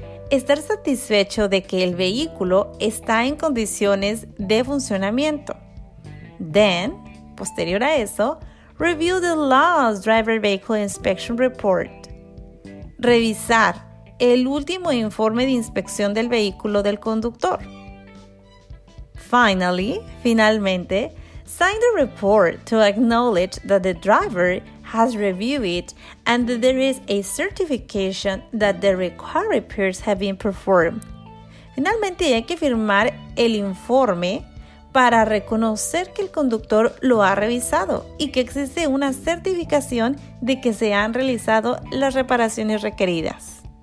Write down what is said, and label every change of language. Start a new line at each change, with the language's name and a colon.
Spanish: Estar satisfecho de que el vehículo está en condiciones de funcionamiento.
English: Then,
Spanish: posterior a eso,
English: review the last driver vehicle inspection report.
Spanish: Revisar el último informe de inspección del vehículo del conductor.
English: Finally,
Spanish: finalmente,
English: sign the report to acknowledge that the driver has reviewed it and that there is a certification that the required repairs have been performed.
Spanish: Finalmente hay que firmar el informe para reconocer que el conductor lo ha revisado y que existe una certificación de que se han realizado las reparaciones requeridas.